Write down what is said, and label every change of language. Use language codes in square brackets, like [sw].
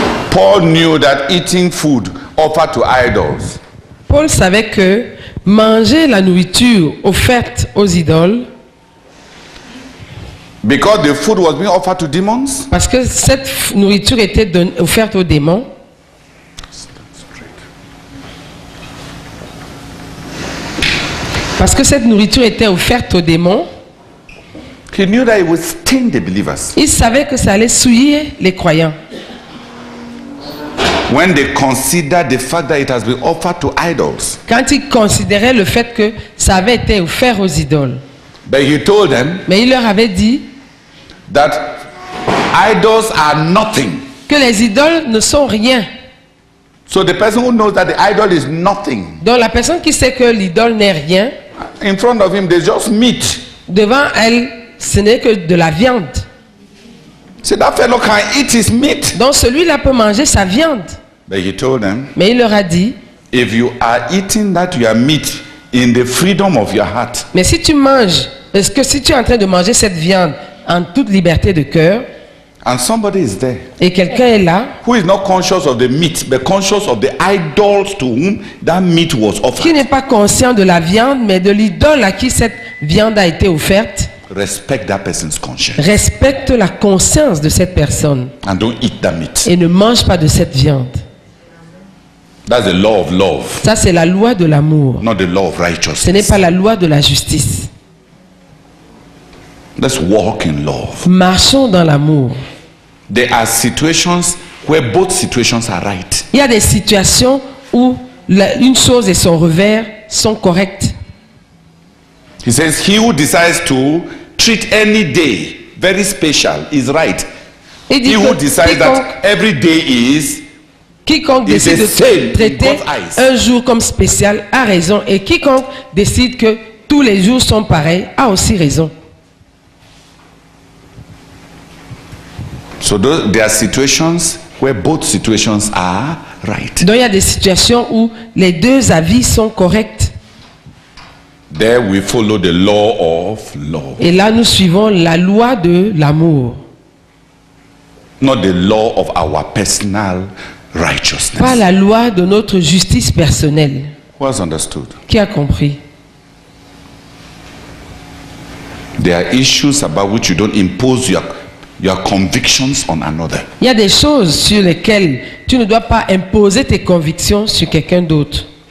[en] Paul knew that eating food offered to idols. [fr] Paul savait que manger la nourriture offerte aux idoles. [en] Because the food was being offered to demons. [fr] Parce que cette nourriture était offerte aux démons. Parce que cette nourriture était offerte aux démons. [en] He knew that it would stain the believers. [fr] Il savait que ça allait souiller les croyants. [en] When they considered the fact that it has been offered to idols. [fr] Quand ils considéraient le fait que ça avait été offert aux idoles. [en] But he told them. [fr] Mais il leur avait dit. [en] That idols are nothing. [fr] Que les idoles ne sont rien. [en] So the person who knows that the idol is nothing. [fr] Donc la personne qui sait que l'idole n'est rien. [en] In front of him, they just meat. [fr] Devant elle. Ce n'est que de la viande. [en] So that fellow can eat his meat. [fr] Donc celui-là peut manger sa viande. [en] But he told them, [fr] mais il leur a dit. [en] If you are eating that your meat in the freedom of your heart. [fr] Mais si tu manges, est-ce que si tu es en train de manger cette viande en toute liberté de cœur? [en] And somebody is there. [fr] Et quelqu'un est là. [en] Who is not conscious of the meat, but conscious of the idols to whom that meat was offered. [fr] Qui n'est pas conscient de la viande, mais de l'idole à qui cette viande a été offerte. [en] Respect that person's conscience. [fr] Respecte la conscience de cette personne. [en] And don't eat that meat. [fr] Et ne mange pas de cette viande. [en] That's the law of love. [fr] Ça c'est la loi de l'amour. [en] Not the law of righteousness. [fr] Ce n'est pas la loi de la justice. [en] Let's walk in love. [fr] Marchons dans l'amour. [en] There are situations where both situations are right. [fr] Il y a des situations où une chose et son revers sont correctes. [en] He says, he who decides to treat any day very special is right. He who decides that every day is [fr] quiconque décide de traiter un jour comme spécial a raison, et quiconque décide que tous les jours sont pareils a aussi raison. [en] So there are situations where both situations are right. [fr] Donc il y a des situations où les deux avis sont corrects. [en] There we follow the law of love. [fr] Et là nous suivons la loi de l'amour. [en] Not the law of our personal righteousness. [fr] Pas la loi de notre justice personnelle. [en] Who has understood? [fr] Qui a compris? [en] There are issues about which you don't impose your convictions on another. [fr] Il y a des choses sur lesquelles tu ne dois pas imposer tes convictions sur quelqu'un d'autre.